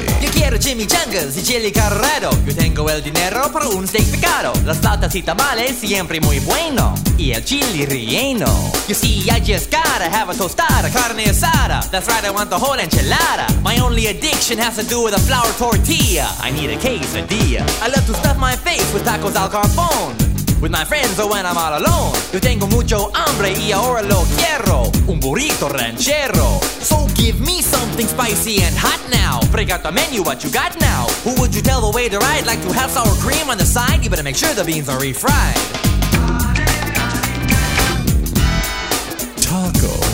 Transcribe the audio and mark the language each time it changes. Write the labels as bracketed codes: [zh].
[es] Yo quiero Jimmy Jungles y Chili Carrero. Yo tengo el dinero para un steak picado. La salsa y tamales siempre muy bueno. Y el chili relleno. [en] You see, I just gotta have a tostada, carne asada. That's right, I want the whole enchilada. My only addiction has to do with a flour tortilla. I need a quesadilla. I love to stuff my face with tacos al carbón. With my friends or when I'm all alone. [es] Yo tengo mucho hambre y ahora lo quiero. Un burrito ranchero. [en] So give me something spicy and hot now. Break out the menu, what you got now? Who would you tell the waiter I'd like to have sour cream on the side? You better make sure the beans are refried. [es] Taco.